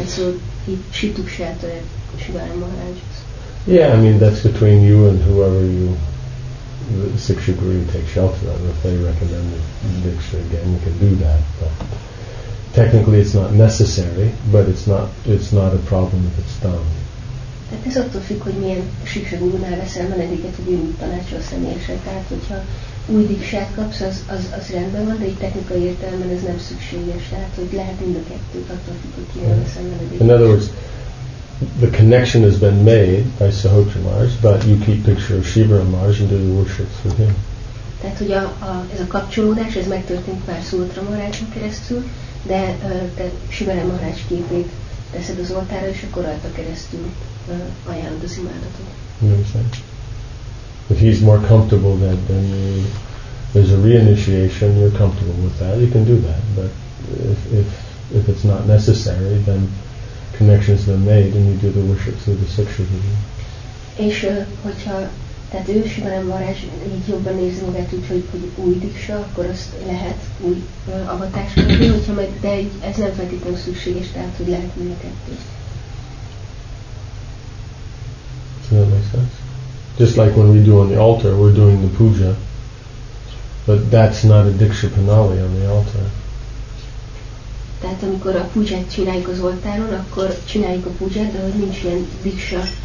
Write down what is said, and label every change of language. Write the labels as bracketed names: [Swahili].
[English] And so she took shelter at Shivaram Maharaj's. Yeah, I mean, that's between you and whoever you, the Siksha Guru, you take shelter of. If they recommend the Diksha again, you can do that. But technically it's not necessary, but it's not a problem if it's done. [Hungarian] Tehát ez attól függ, hogy milyen Siksha Gurunál veszel menedéket, hogy ő mit tanácsol személyesre. Tehát, hogyha új diksát kapsz, az rendben van, de egy technikai értelemben ez nem szükséges. Tehát, hogy lehet mind a kettőt, attól függ, hogy kire veszel menedéket. [English] In other words, the connection has been made by Sahotra Maharaj, but you keep picture of Shivaram Maharaj and do the worship through him. [Hungarian] Tehát, hogy ez a kapcsolódás, ez megtörtént pár Sahotra Maharajon keresztül, de te Shivaram Maharaj képét teszed az oltára, és akkor rajta keresztül ajánlod az imádatot. [English] If he's more comfortable than you, there's a reinitiation, you're comfortable with that, you can do that. But if it's not necessary, then connections are made and you do the worship through the Siksha Guru. [Hungarian] És hogyha, tehát ő Shivaram Maharaj így jobban érzi magát, úgyhogy hogy új diksa, akkor azt lehet új avatásra, hogyha majd, de ez nem feltétlenül szükséges, tehát hogy lehet mind a kettő. [English] Does that make sense? Just like when we do on the altar, we're doing the puja, but that's not a diksha panali on the altar. [Hungarian] Tehát amikor a pujat csináljuk az oltáron, akkor csináljuk a pujat, de nincs ilyen diksha